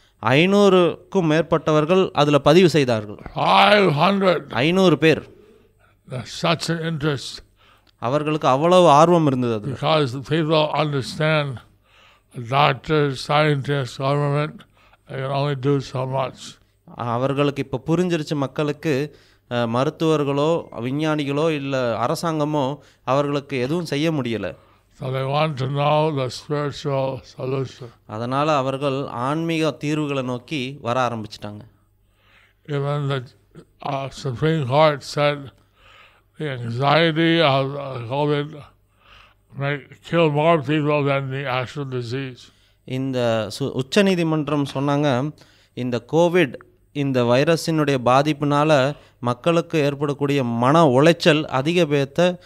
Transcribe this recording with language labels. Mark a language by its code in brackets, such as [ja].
[ta] 500 மேற்பட்டவர்கள் அதில் பதிவு செய்தார்கள் 500 பேர் [en] such an interest [ta] அவர்களுக்கு அவ்வளவு ஆர்வம் இருந்தது அது [en] because the people understand the doctors scientists government they can only do so much [ta] அவர்களுக்கு இப்ப புரிஞ்சிருச்சு மக்களுக்கு மருத்துவர்களோ விஞ்ஞானிகளோ இல்ல அரசாங்கமோ அவர்களுக்கு எதுவும் செய்ய முடியல [en] so they want to know the spiritual solution [ta] அதனால அவர்கள் ஆன்மீக தீர்வுகளை நோக்கி வர ஆரம்பிச்சிட்டாங்க [en] even the Supreme Court said the anxiety of COVID may kill more people than the actual disease [ta] இந்த உச்சநீதிமன்றம் சொன்னாங்க இந்த கோவிட் இந்த வைரஸினுடைய பாதிப்புனால மக்களுக்கு ஏற்படக்கூடிய மன உளைச்சல் அதிக பேத்தை